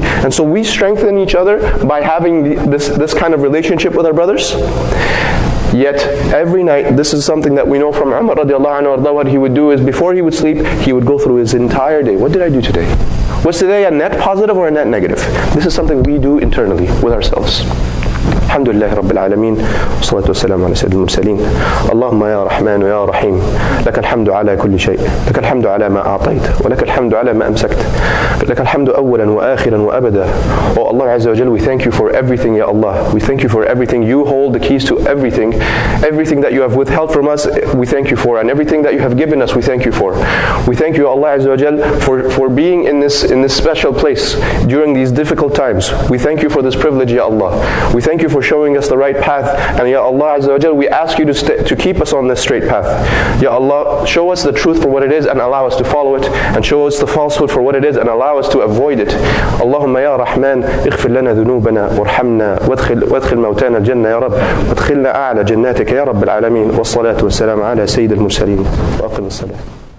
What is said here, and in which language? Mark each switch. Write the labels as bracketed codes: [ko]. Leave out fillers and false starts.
[en] And so we strengthen each other by having this kind of relationship with our brothers. Yet every night, this is something that we know from Umar radiallahu anhu, what he would do is before he would sleep, he would go through his entire day. What did I do today? Was today a net positive or a net negative? This is something we do internally with ourselves. [ar] الحمد لله رب العالمين والصلاة والسلام على سيد المرسلين اللهم يا رحمن ويا رحيم لك الحمد على كل شيء لك الحمد على ما أعطيت ولك الحمد على ما أمسكت لك الحمد أولا وآخرا وأبدا. [en] Oh Allah Azza wa Jalla, we thank you for everything, Ya Allah. We thank you for everything. You hold the keys to everything. Everything that you have withheld from us, we thank you for. And everything that you have given us, we thank you for. We thank you, Allah Azza wa Jalla, for being in this special place during these difficult times. We thank you for this privilege, Ya Allah. We thank you for for showing us the right path. And Ya Allah Azza wa Jal, we ask you to keep us on this straight path. Ya Allah, show us the truth for what it is and allow us to follow it. And show us the falsehood for what it is and allow us to avoid it. Allahumma Ya Rahman, [ar] اغفر لنا ذنوبنا وارحمنا وادخل موتانا الجنة يا رب وادخلنا أعلى جناتك يا رب العالمين والصلاة والسلام على سيد المرسلين وأقم الصلاة.